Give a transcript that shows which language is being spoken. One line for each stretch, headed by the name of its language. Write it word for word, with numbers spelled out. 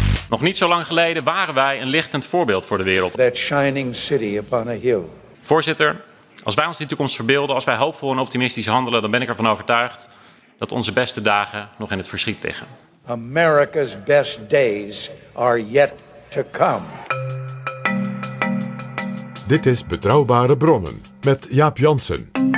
Dutch: Nog niet zo lang geleden waren wij een lichtend voorbeeld voor de wereld.
English: That shining city upon a hill.
Dutch: Voorzitter, als wij ons die toekomst verbeelden, als wij hoopvol en optimistisch handelen, dan ben ik ervan overtuigd dat onze beste dagen nog in het verschiet liggen.
English: America's best days are yet to come.
Dutch: Dit is Betrouwbare Bronnen met Jaap Janssen.